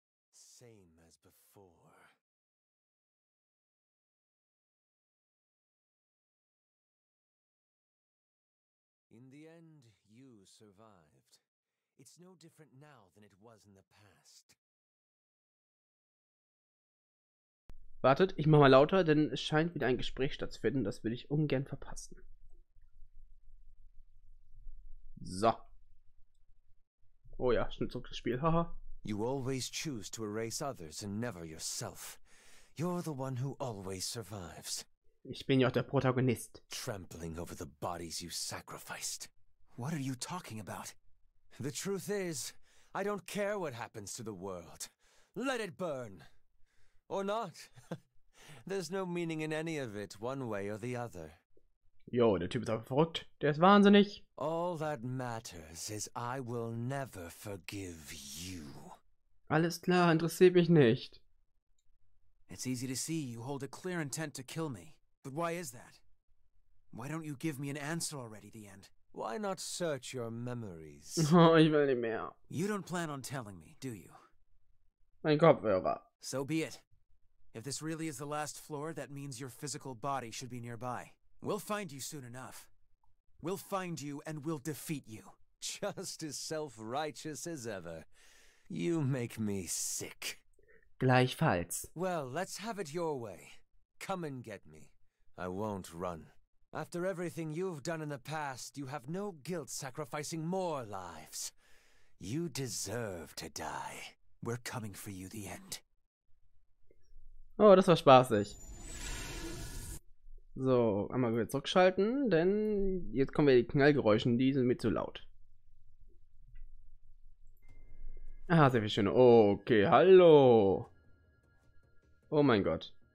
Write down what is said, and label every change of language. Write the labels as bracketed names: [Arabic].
[English] Same as before. In the end, you survived. It's no different now than it was in the past. [German] Wartet, ich mach mal lauter, denn es scheint wieder ein Gespräch stattzufinden. Das will ich ungern verpassen. So. Oh ja, schon zurück ins Spiel. Haha. [English] You always choose to erase others and never yourself. You're the one who always survives. [German] Ich bin ja auch der Protagonist. [English] Trampling over the bodies you sacrificed. What are you talking about? The truth is, I don't care what happens to the world. Let it burn. Or not. There's no meaning in any of it, one way or the other. [German] Jo, der Typ ist aber verrückt. Der ist wahnsinnig. [English] All that matters is I will never forgive you. [German] Alles klar, interessiert mich nicht. [English] It's easy to see you hold a clear intent to kill me. But why is that? Why don't you give me an answer already, the end? Why not search your memories? [German] Oh, ich will nicht mehr. [English] You don't plan on telling me, do you? [German] Mein Kopfhörer. [English] So be it. If this really is the last floor, that means your physical body should be nearby. We'll find you soon enough. We'll find you and we'll defeat you. Just as self-righteous as ever. You make me sick. [German] Gleichfalls. [English] Well, let's have it your way. Come and get me. I won't run. After everything you've done in the past, you have no guilt sacrificing more lives. You deserve to die. We're coming for you, the end. [German] Oh, das war spaßig. So, einmal wieder zurückschalten, denn jetzt kommen wir die Knallgeräuschen, die sind mir zu laut. Ah, sehr viel schön. Okay, hallo. Oh mein Gott.